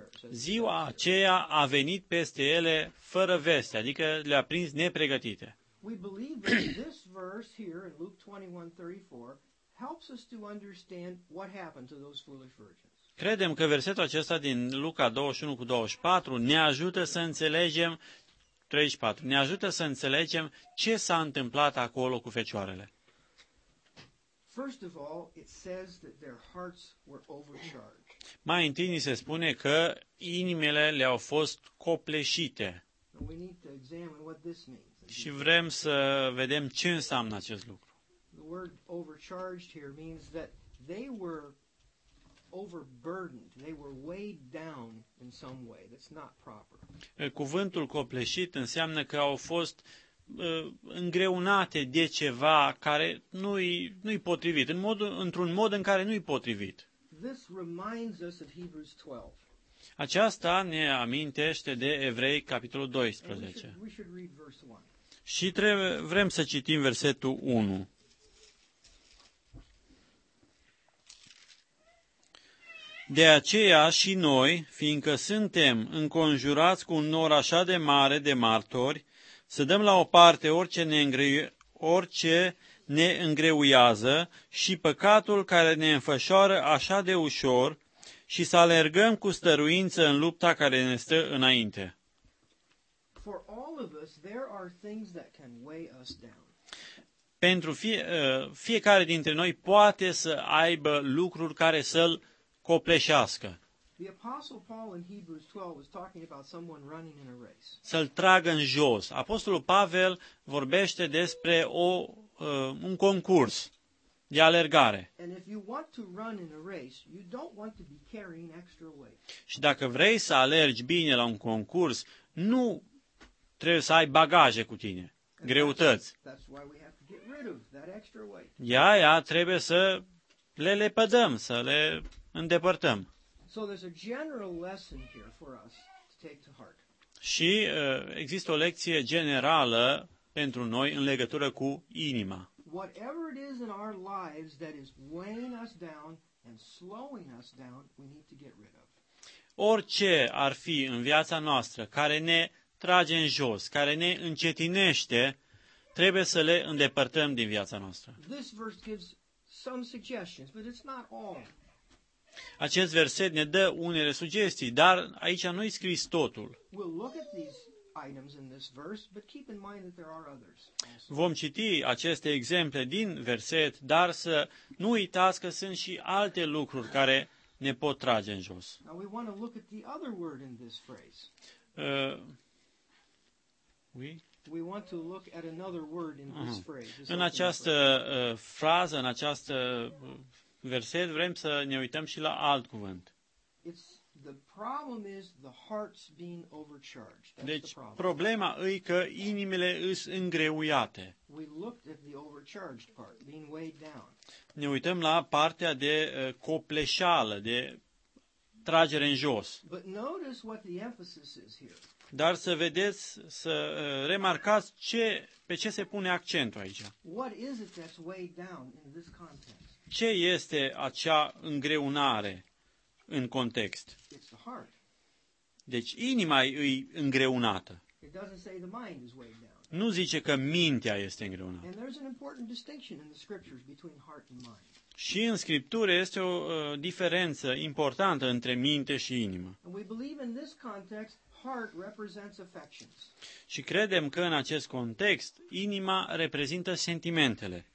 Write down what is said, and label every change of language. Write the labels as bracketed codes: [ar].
[ro] Ziua aceea a venit peste ele fără veste, adică le-a prins nepregătite. [en] We believe that this verse here in Luke 21:34 helps us to understand what happened to those foolish virgins. [ro] Credem că versetul acesta din Luca 21:24 ne ajută să înțelegem 34. Ne ajută să înțelegem ce s-a întâmplat acolo cu fecioarele. [en] First of all, it says that their hearts were overcharged. [ro] Mai întâi se spune că inimile le-au fost copleșite. [en] We need to examine what this means. [ro] Și vrem să vedem ce înseamnă acest lucru. [en] The word overcharged here means that they were overburdened, they were weighed down in some way that's not proper. [ro] Cuvântul copleșit înseamnă că au fost îngreunate de ceva care nu-i potrivit, într-un mod în care nu-i potrivit. [en] This reminds us of Hebrews 12. [ro] Aceasta ne amintește de Evrei, capitolul 12. Și vrem să citim versetul 1. De aceea și noi, fiindcă suntem înconjurați cu un nor așa de mare de martori, să dăm la o parte orice ne îngreuiază și păcatul care ne înfășoară așa de ușor, și să alergăm cu stăruință în lupta care ne stă înainte. [en] For all of us, there are things that can weigh us down. [ro] Pentru fiecare dintre noi poate să aibă lucruri care să-l copleșească. [en] The Apostle Paul in Hebrews 12 was talking about someone running in a race. [ro] Să-l tragă în jos. Apostolul Pavel vorbește despre un concurs de alergare. [en] And if you want to run in a race, you don't want to be carrying extra weight. [ro] Și dacă vrei să alergi bine la un concurs, nu trebuie să ai bagaje cu tine, greutăți. [en] That's why we have to get rid of that extra weight. [ro] Ia, trebuie să le lepădăm, să le îndepărtăm. [en] So there's a general lesson here for us to take to heart. [ro] Și există o lecție generală pentru noi în legătură cu inima. [en] Whatever it is in our lives that is weighing us down and slowing us down, we need to get rid of. [ro] Orice ar fi în viața noastră care ne trage în jos, care ne încetinește, trebuie să le îndepărtăm din viața noastră. [en] This verse gives some suggestions, but it's not all. [ro] Acest verset ne dă unele sugestii, dar aici nu-i scris totul. [en] We'll look at these items in this verse, but keep in mind that there are others. [ro] Vom citi aceste exemple din verset, dar să nu uitați că sunt și alte lucruri care ne pot trage în jos. [en] Now we want to look at the other word in this phrase. We want to look at another word in this phrase. [ro] În această frază, în acest verset, vrem să ne uităm și la alt cuvânt. [en] The problem is the heart's being overcharged. That's [ro] deci, [en] the problem. [ro] Problema e că inimile îs îngreuiate. [en] We looked at the overcharged part, being weighed down. [ro] Ne uităm la partea de copleșeală, de tragere în jos. [en] But notice what the emphasis is here. [ro] Dar să vedeți, să remarcați ce, pe ce se pune accentul aici. [en] What is it that's weighed down in this context? [ro] Ce este acea îngreunare în context? [en] It's the heart. [ro] Deci inima e îngreunată. [en] It doesn't say the mind is weighed down. [ro] Nu zice că mintea este îngreunată. [en] And there's an important distinction in the scriptures between heart and mind. [ro] Și în Scriptură este o diferență importantă între minte și inimă. [en] And we believe in this context, heart represents affections. [ro] Și credem că în acest context inima reprezintă sentimentele.